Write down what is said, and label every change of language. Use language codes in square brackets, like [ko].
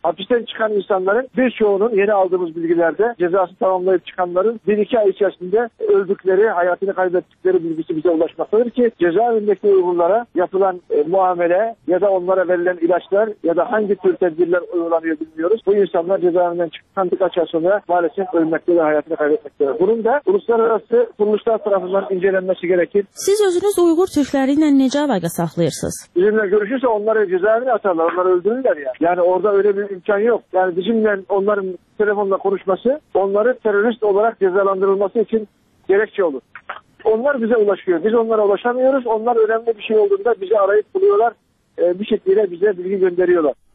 [tr] Hapisten çıkan insanların birçoğunun yeni aldığımız bilgilerde cezası tamamlayıp çıkanların 1-2 ay içerisinde öldükleri, hayatını kaybettikleri bilgisi bize ulaşmaktadır ki cezaevindeki Uygurlara yapılan muamele ya da onlara verilen ilaçlar ya da hangi tür tedbirler uygulanıyor bilmiyoruz. Bu insanlar cezaevinden çıktıktan birkaç ay sonra maalesef ölmekte ve hayatını kaybetmekte. Bunun da uluslararası kuruluşlar tarafından incelenmesi gerekir. [az] Siz özünüz Uygur Türkleriyle necə əlaqə saxlayırsınız? [tr] Bizimle görüşürse onları cezaevine atarlar, onları öldürürler ya. Yani orada öyle bir imkan yok. Yani bizimle onların telefonla konuşması, onları terörist olarak cezalandırılması için gerekçe olur. Onlar bize ulaşıyor, biz onlara ulaşamıyoruz. Onlar önemli bir şey olduğunda bizi arayıp buluyorlar, bir şekilde bize bilgi gönderiyorlar.